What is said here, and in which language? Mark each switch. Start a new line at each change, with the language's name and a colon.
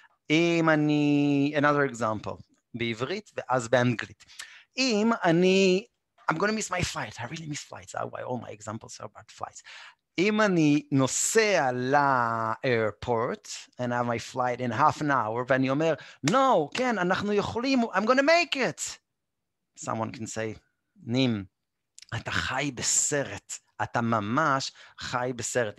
Hebrew: אם אני,
English: another example,
Hebrew: בעברית ואז באנגלית. אם אני,
English: I'm going to miss my flight, I really miss flights, that's why all my examples are about flights.
Hebrew: אם אני נוסע לאיירפורט,
English: and I have my flight in half an hour,
Hebrew: ואני אומר,
English: no,
Hebrew: כן, אנחנו יכולים,
English: I'm going to make it. Someone can say,
Hebrew: נים, אתה חי בסרט, אתה ממש חי בסרט.